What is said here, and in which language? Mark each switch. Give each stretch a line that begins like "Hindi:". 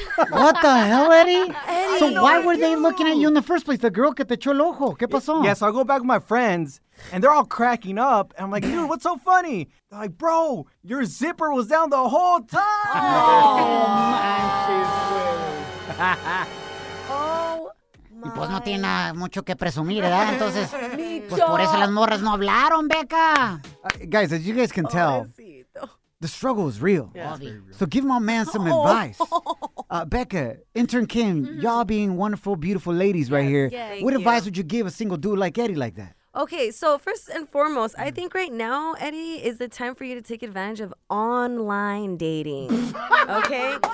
English: What the hell, Eddie? Eddie, so why were they looking at you in the first place? The girl
Spanish: que te echó el ojo. ¿Qué pasó?
English: Yeah, so I go back with my friends, and they're all cracking up. And I'm like, dude, what's so funny? They're like, bro, your zipper was down the whole time.
Spanish: Y pues no tiene mucho que presumir, ¿verdad? Entonces, pues por eso las morras no hablaron, Becca.
English: Guys, as you guys can tell, the struggle is real. Yeah. So give my man some advice. Becca, intern Kim, y'all being wonderful, beautiful ladies right here, what advice would you give a single dude like Eddie like that? Okay, so first and foremost, I think right now, Eddie, is the time for you to take advantage of online dating, okay?